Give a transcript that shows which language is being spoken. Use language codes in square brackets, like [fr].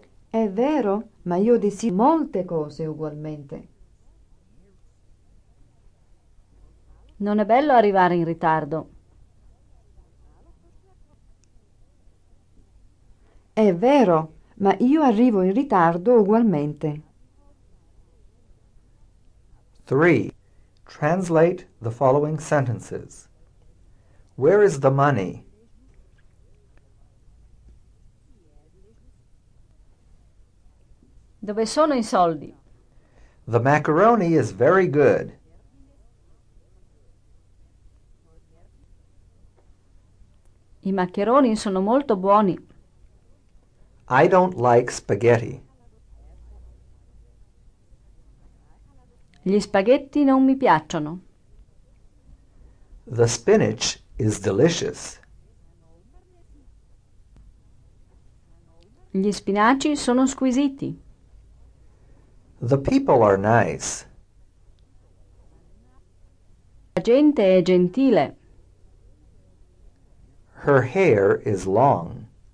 [it] È vero, ma io desidero molte cose ugualmente. Non è bello arrivare in ritardo. È vero, ma io arrivo in ritardo ugualmente. [en] 3. Translate the following sentences. Where is the money? [it] Dove sono i soldi? [en] The macaroni is very good. [it] I maccheroni sono molto buoni. [en] I don't like spaghetti. [it] Gli spaghetti non mi piacciono. [en] The spinach is delicious. [it] Gli spinaci sono squisiti. [en] The people are nice. [it] La gente è gentile. [en] Her hair is long.